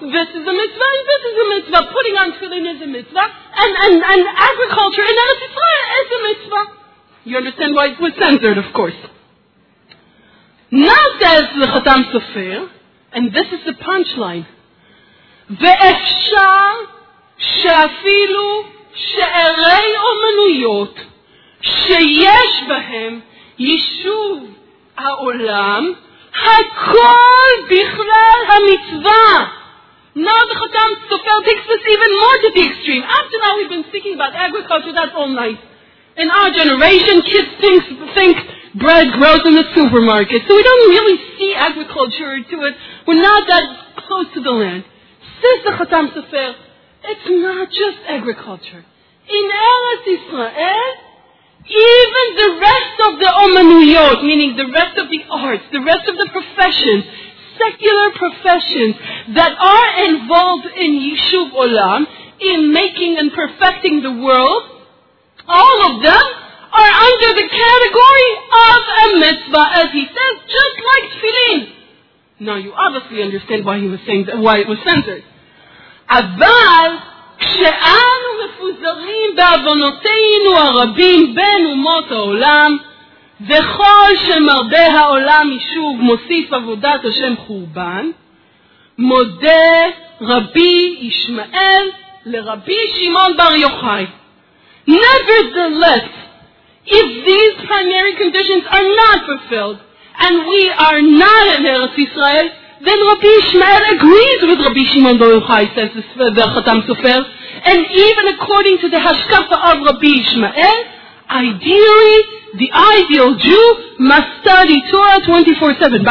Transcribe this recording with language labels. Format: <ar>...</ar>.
<en>This is a mitzvah, putting on tefillin is a mitzvah, and agriculture in Eretz Yisrael is a mitzvah. You understand why it was censored, of course. Now says the Chatam Sofer, and this is the punchline,</en> <he>ואפשר שאפילו שערי אומנויות שיש בהם יישוב העולם, הכל בכלל המצווה.</he> <en>Now the Chatam Sofer takes this even more to the extreme. After now we've been speaking about agriculture, that's all nice. In our generation, kids think bread grows in the supermarket, so we don't really see agriculture to it. We're not that close to the land. Says the Chatam Sofer, it's not just agriculture. In Eretz Yisrael, even the rest of the omanuyot, meaning the rest of the arts, the rest of the professions, secular professions that are involved in Yishuv Olam, in making and perfecting the world, all of them are under the category of a mitzvah, as he says, just like tefillin. Now you obviously understand why he was saying that, why it was censored.</en> <he>Aval כשאנו מפוזרים בעוונותינו הרבים בין אומות העולם, וכל שמרבה העולם יישוב מוסיף עבודת השם חורבן, מודה רבי ישמעאל לרבי שמעון בר יוחאי.</he> <en>Nevertheless, if these primary conditions are not fulfilled, and we are not in Eretz Yisrael, then Rabbi Ishmael agrees with Rabbi Shimon Bar Yochai, says the Chatam Sofer, and even according to the Hashkafa of Rabbi Ishmael, ideally, the ideal Jew must study Torah 24/7.</en>